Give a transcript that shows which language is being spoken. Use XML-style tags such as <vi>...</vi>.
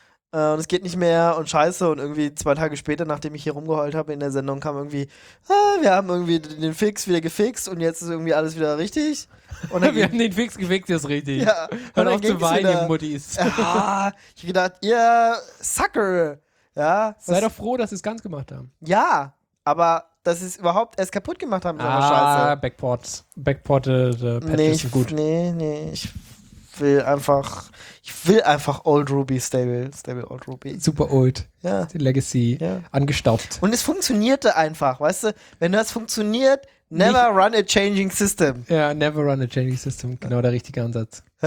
<de>Und es geht nicht mehr und scheiße. Und irgendwie zwei Tage später, nachdem ich hier rumgeheult habe in der Sendung, kam irgendwie, wir haben irgendwie den Fix wieder gefixt und jetzt ist irgendwie alles wieder richtig. Und dann haben den Fix gefixt, jetzt richtig. Ja. Hör auf zu weinen, ihr Muttis. Ich hab gedacht, ihr Sucker. Ja, sei doch froh, dass sie es ganz gemacht haben. Ja, aber dass sie es überhaupt erst kaputt gemacht haben, ist scheiße.</de> <en>Backports. Backported Patches</en> <de>sind gut. Nee, ich Ich will einfach Old Ruby Stable.</de> <en>Stable Old Ruby. Super old.</en> <de>Ja. Die Legacy. Ja. Angestaubt. Und es funktionierte einfach, weißt du? Wenn das funktioniert, never nicht.</de> <en>Run a changing system.</en> <de>Ja,</de> <en>never run a changing system.</en> <de>Genau der richtige Ansatz.</de>